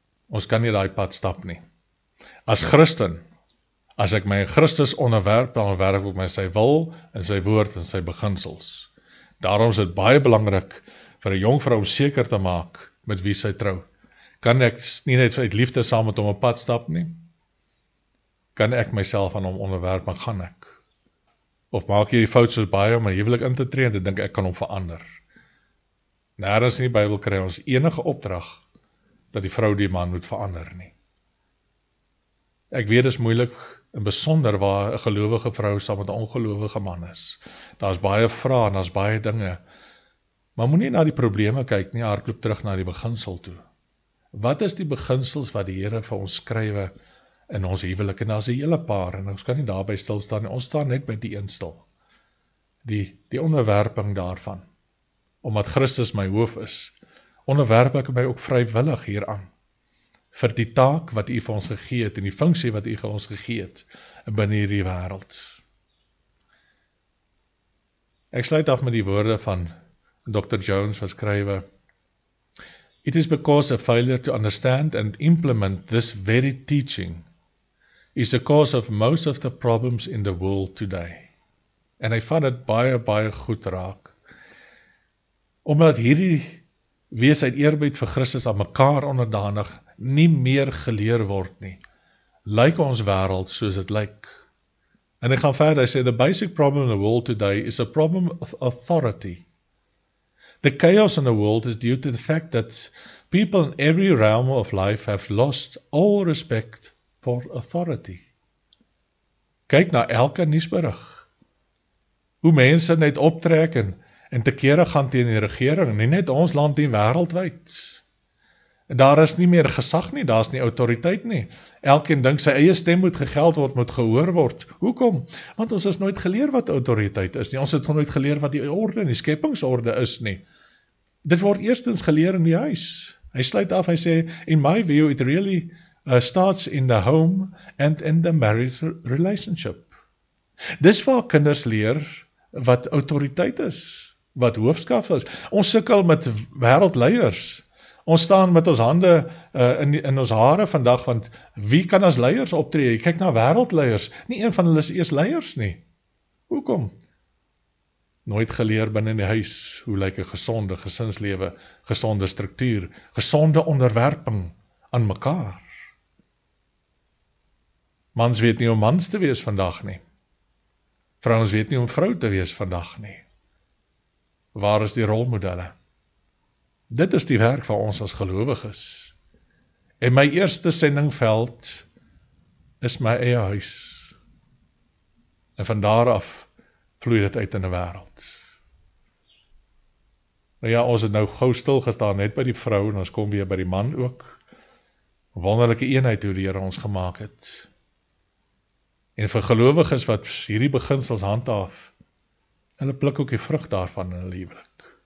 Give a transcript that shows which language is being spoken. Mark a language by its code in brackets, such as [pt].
[af] Ons kan nie die pad stap nie. As Christen, as ek my Christus onderwerp, dan werk ek my sy wil, en sy woord, en sy beginsels. Daarom is dit baie belangrik, vir 'n jongvrou om seker te maak, met wie sy trou. Kan ek nie net uit liefde saam met hom op pad stap nie? Kan ek myself aan hom onderwerp, maar gaan ek? Of maak jy die fout soos baie om my huwelik in te tree en te dink ek kan hom verander? Nêrens in die Bybel kry ons enige opdrag dat die vrou die man moet verander nie. Ek weet dis moeilik en besonder waar 'n gelowige vrou saam met 'n ongelowige man is. Daar is baie vrae en daar is baie dinge. Maar moenie na die probleme kyk nie, haar klop terug na die beginsel toe. Wat is die beginsels wat die Here vir ons skrywe in ons huwelik? En daar is die hele paar, en ons kan nie daarby stilstaan, ons staan net by die een stil. Die onderwerping daarvan. omdat Christus my hoof is, onderwerp ek my ook vrywillig hieraan, vir die taak wat U vir ons gegee het, en die funksie wat U vir ons gegee het, binne hierdie wêreld. Ek sluit af met die woorde van Dr. [en] Jones [af] wat skrywe, [en] "It is because a failure to understand and implement this very teaching is the cause of most of the problems in the world today." [af] En hy vat het baie, baie goed raak, omdat hierdie wees uit eerbied vir Christus aan mekaar onderdanig nie meer geleer word nie. Lyk ons wêreld soos het lyk. En hy gaan verder, hy sê, [en] "The basic problem in the world today is a problem of authority. The chaos in the world is due to the fact that people in every realm of life have lost all respect for authority." [af] Kyk na elke nuusberig. Hoe mense net optrek en tekere gaan teen die regering, nie net ons land nie, wêreldwyd. En daar is nie meer gesag nie, daar is nie autoriteit nie. Elkeen dink sy eie stem moet gegeld word, moet gehoor word. Hoekom? Want ons is nooit geleer wat autoriteit is nie. Ons het nooit geleer wat die orde en die skepingsorde is nie. Dit word eerstens geleer in die huis. Hy sluit af, hy sê, [en] "In my view, it really starts in the home and in the marriage relationship." [af] Dis waar kinders leer wat autoriteit is, wat hoofskap is. Ons sukkel met wêreldleiers. Ons staan met ons hande in ons hare vandag, want wie kan as leiers optree? Jy kyk na wêreldleiers, nie een van hulle is eers leiers nie. Hoekom? Nooit geleer binne in die huis, hoe lyk 'n gesonde gesinslewe, gesonde struktuur, gesonde onderwerping aan mekaar. Mans weet nie om mans te wees vandag nie. Vrouens weet nie om vrou te wees vandag nie. Waar is die rolmodelle? Dit is die werk van ons as gelowiges. En my eerste sendingveld is my eie huis. En van daar af vloei dit uit in die wêreld. Nou ja, ons het nou gou stil gestaan net by die vrou en ons kom weer by die man ook. Wonderlike eenheid hoe die Here ons gemaak het. En vir gelowiges wat hierdie beginsels handhaaf, hulle pluk ook die vrug daarvan in hulle huwelik.